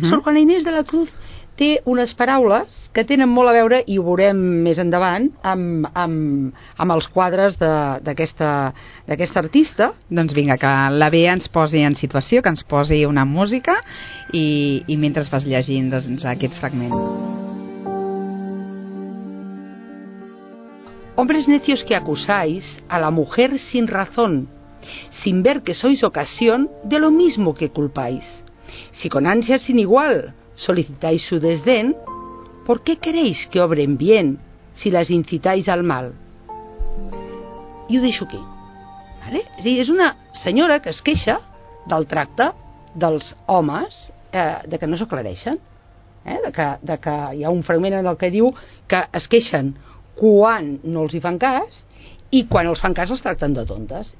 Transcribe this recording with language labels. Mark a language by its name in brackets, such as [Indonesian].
[Catalan] Però Sor Juana Inés de la Cruz té unes paraules que tenen molt a veure, i ho veurem més endavant, amb els quadres d'aquesta artista. Doncs vinga, que la Bea ens posi en situació, que ens posi una música, i mentre vas llegint doncs, aquest fragment... [Spanish] Hombres necios que acusáis a la mujer sin razón, sin ver que sois ocasión de lo mismo que culpáis. Si con ansia sin igual solicitáis su desdén, ¿por qué queréis que obren bien si las incitáis al mal? [Catalan] I ho deixo aquí. ¿Vale? És una senyora que es queixa del tracte dels homes, de que no s'ho aclareixen, de que hi ha un fragment en el que diu que es queixen quan no els hi fan cas, i quan els fan cas els tracten de tontes.